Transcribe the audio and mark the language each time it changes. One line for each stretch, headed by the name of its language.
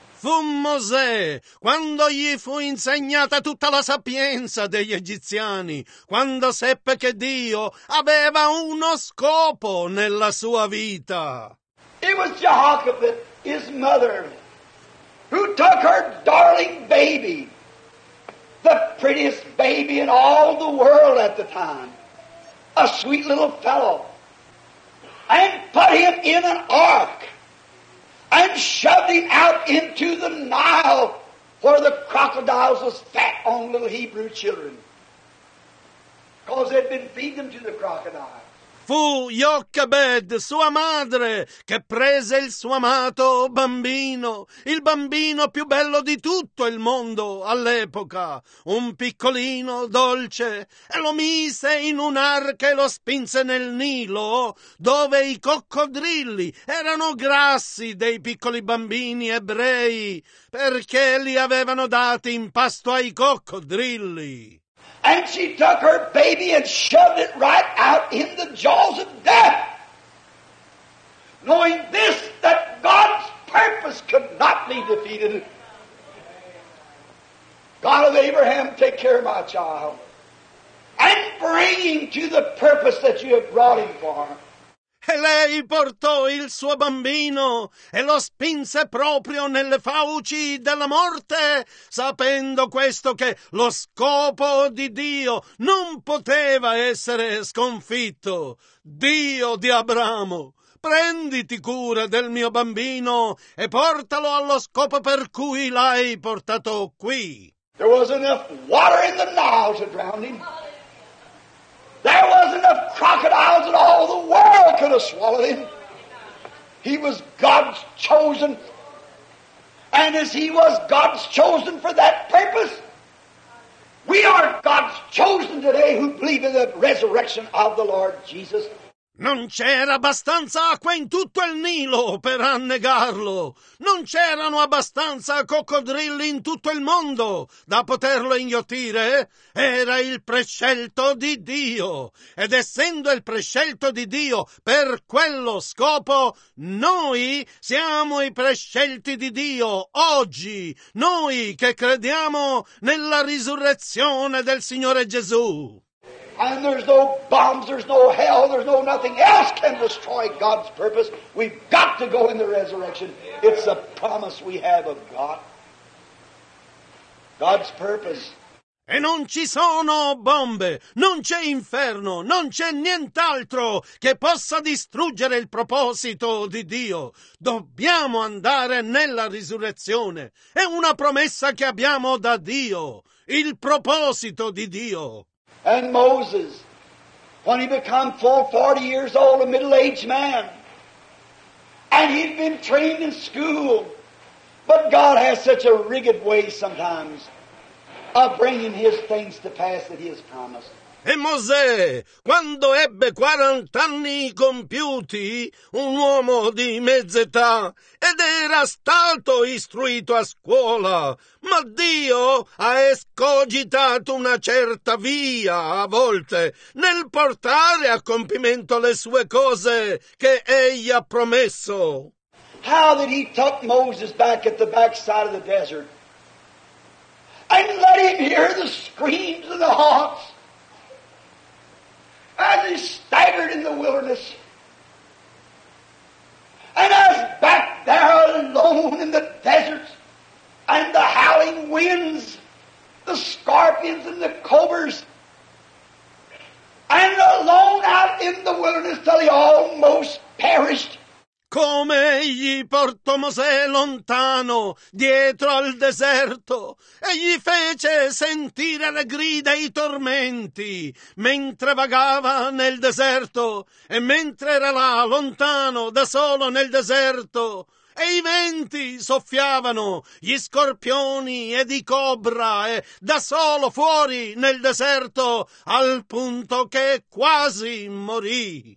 Italian: Fu Mosè, quando gli fu insegnata tutta la sapienza degli egiziani, quando seppe che Dio aveva uno scopo nella sua vita.
English: It was Jehoshaphat, his mother, who took her darling baby, the prettiest baby in all the world at the time, a sweet little fellow, and put him in an ark and shoved him out into the Nile where the crocodiles was fat on little Hebrew children because they'd been feeding them to the crocodiles.
Italian: Fu Jochebed, sua madre, che prese il suo amato bambino, il bambino più bello di tutto il mondo all'epoca, un piccolino dolce, e lo mise in un'arca e lo spinse nel Nilo, dove i coccodrilli erano grassi dei piccoli bambini ebrei, perché li avevano dati in pasto ai coccodrilli.
English: And she took her baby and shoved it right out in the jaws of death. Knowing this, that God's purpose could not be defeated. God of Abraham, take care of my child. And bring him to the purpose that you have brought him for.
Italian: E lei portò il suo bambino e lo spinse proprio nelle fauci della morte, sapendo questo che lo scopo di Dio non poteva essere sconfitto. Dio di Abramo, prenditi cura del mio bambino e portalo allo scopo per cui l'hai portato qui.
English: There was enough water in the Nile to drown him. There wasn't enough crocodiles in all the world could have swallowed him. He was God's chosen. And as he was God's chosen for that purpose, we are God's chosen today who believe in the resurrection of the Lord Jesus.
Italian: Non c'era abbastanza acqua in tutto il Nilo per annegarlo. Non c'erano abbastanza coccodrilli in tutto il mondo da poterlo inghiottire. Era il prescelto di Dio. Ed essendo il prescelto di Dio per quello scopo, noi siamo i prescelti di Dio oggi. Noi che crediamo nella risurrezione del Signore Gesù.
English: And there's no bombs, there's no hell, there's no nothing else can destroy God's purpose. We've got to go in the resurrection. It's a promise we have of God. God's purpose.
Italian: E non ci sono bombe, non c'è inferno, non c'è nient'altro che possa distruggere il proposito di Dio. Dobbiamo andare nella risurrezione. È una promessa che abbiamo da Dio, il proposito di Dio.
English: And Moses, when he became full 40 years old, a middle-aged man, and he'd been trained in school, but God has such a rigid way sometimes of bringing his things to pass that he has promised.
Italian: E Mosè, quando ebbe 40 anni compiuti, un uomo di mezza età, ed era stato istruito a scuola, ma Dio ha escogitato una certa via a volte nel portare a compimento le sue cose che egli ha promesso.
English: How did he tuck Moses back at the backside of the desert and let him hear the screams of the hawks? As he staggered in the wilderness, and as back there alone in the desert, and the howling winds, the scorpions and the cobras, and alone out in the wilderness till he almost perished.
Italian: Come egli portò Mosè lontano dietro al deserto e gli fece sentire le grida e i tormenti mentre vagava nel deserto e mentre era là lontano da solo nel deserto e i venti soffiavano, gli scorpioni ed i cobra e da solo fuori nel deserto al punto che quasi morì.